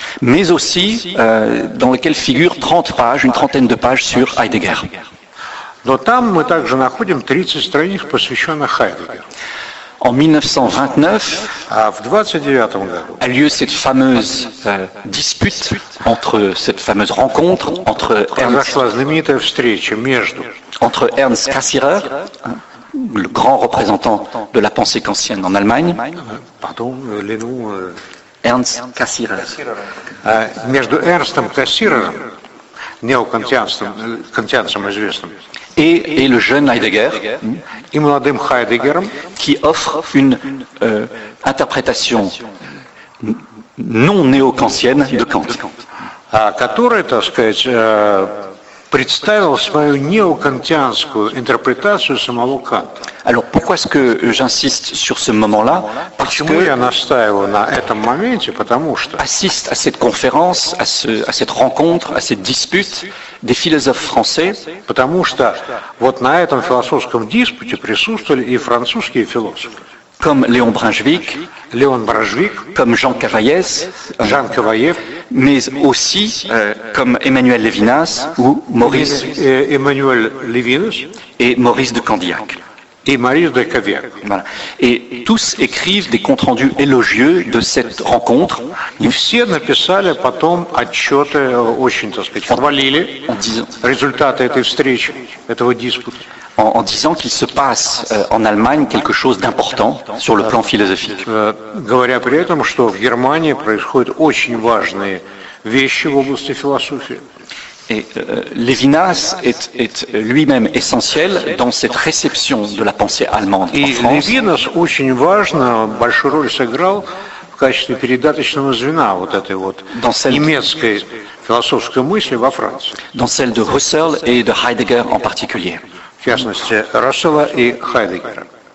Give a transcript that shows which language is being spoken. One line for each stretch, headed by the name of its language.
French: mais aussi dans lequel figure 30 pages, une trentaine de pages sur Heidegger.
Russian: Но там мы также находим 30 страниц, посвященных Хайдеггеру.
French: En 1929,
Russian: в 29-м году,
French: a lieu cette fameuse dispute entre cette fameuse rencontre entre
Russian: произошла знаменитая встреча между
French: entre Ernst Cassirer, le grand représentant de la pensée kantienne en Allemagne. Pardon, les noms. Ernst Cassirer.
Russian: Между Эрнстом Кассирером, неокантианцем, кантианцем известным.
French: Et le jeune Heidegger.
Russian: И молодым Хайдеггером.
French: Qui offre une interprétation non néo-kantienne de Kant.
Russian: Который, так сказать, представил свою неокантианскую интерпретацию самого Канта.
French: Alors pourquoi est-ce que j'insiste sur ce moment-là?
Russian: Почему я настаиваю на этом моменте? Потому что
French: assiste à cette conférence, à cette rencontre, à cette dispute des philosophes français.
Russian: Потому что вот на этом философском диспуте присутствовали и французские философы.
French: Comme Léon Brunswick, comme Jean Cavaillès, mais aussi comme Emmanuel Lévinas ou Maurice Emmanuel Lévinas et Maurice de Candiac. Et Maurice de Candiac. Voilà. Et tous écrivent des comptes rendus élogieux de cette rencontre. Ils
Russian: все написали потом отчеты очень, так сказать, хвалили результаты этой встречи, этого диспута.
French: En disant qu'il se passe en Allemagne quelque chose d'important sur le plan philosophique.
Russian: Говоря при этом, что в Германии происходят очень важные вещи в области философии.
French: Et Lévinas est lui-même essentiel dans cette réception de la pensée allemande en France. Et
Russian: Lévinas очень важно, большую роль сыграл в качестве передаточного звена вот этой вот немецкой философской мысли во Франции.
French: Dans celle de Husserl et de Heidegger en particulier.
Russian: В частности, Расселла и Хайдеггера.